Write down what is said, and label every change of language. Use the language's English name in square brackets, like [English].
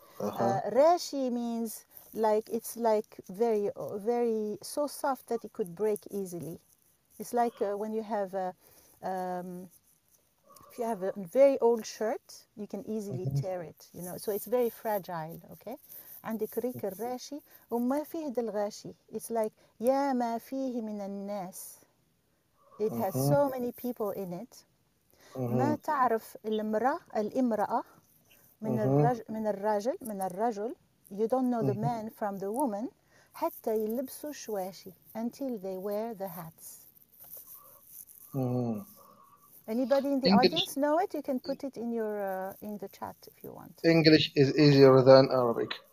[English] Rashi means like it's like very, very so soft that it could break easily. It's like when you have if you have a very old shirt, you can easily tear it, you know. So it's very fragile, okay? [Arabic] عندي كريك الراشي وما فيه دلغاشي. [English] It's like [Arabic] يا ما فيه من الناس. [English] It has so many people in it. [Arabic] ما تعرف الامرأة من الرجل. [English] You don't know the man from the woman. [Arabic] حتى يلبسوا شواشي. [English] Until they wear the hats. Anybody in the audience know it? You can put it in your in the chat if you want. English is easier than Arabic.